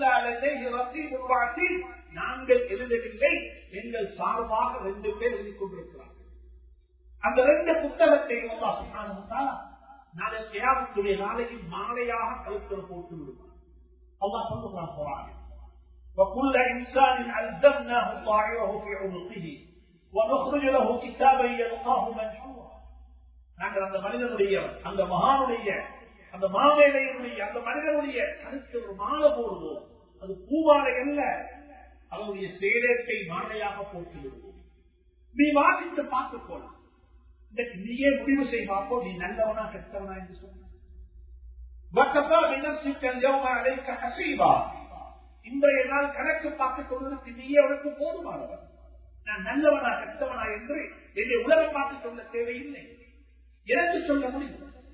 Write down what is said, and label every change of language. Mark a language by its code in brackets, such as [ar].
[ta] நாங்கள் எழுதவில்லை, எங்கள் சார்பாக ரெண்டு பேர் எழுதிக் கொண்டிருக்கிறார்கள். அந்த ரெண்டு புத்தகத்தையும் அல்லாஹ் சுப்ஹானஹு வதஆலா நாளை கியாமத்துடைய நாளையில் மாலையாக கழுத்தில் போட்டு விடுவார். அல்லாஹ் சொல்லுகிறான் குர்ஆனில், [ar] وكل انسان الزمناه طائره في عنقه ونخرج له كتابا يلقاه منشورا. [ta] நாங்கள் அந்த மனிதனுடைய, அந்த மகானுடைய, அந்த மாமேதையுடைய, அந்த மனிதனுடைய கருத்து ஒரு மாலை போடுவோம், அது பூமாலை அல்ல, அவருடைய சேலத்தை மாலையாக போட்டு விடுவோம். நீ வாசித்து பார்த்துக் கொள்ள, நீயே முடிவு செய்ய பார்ப்போம், நீ நல்லவனா கெட்டவனா என்று சொன்னா விண்ணப்பிக்கோம் அழைக்க ஹசீபா, இன்றைய நாள் கணக்கு பார்த்துக் கொள்வதற்கு நீயே அவனுக்கு போதுமானவன், நான் நல்லவனா கெட்டவனா என்று என்னை உலக பார்த்துச் சொல்ல தேவையில்லை, எனக்கு சொல்ல முடியும்.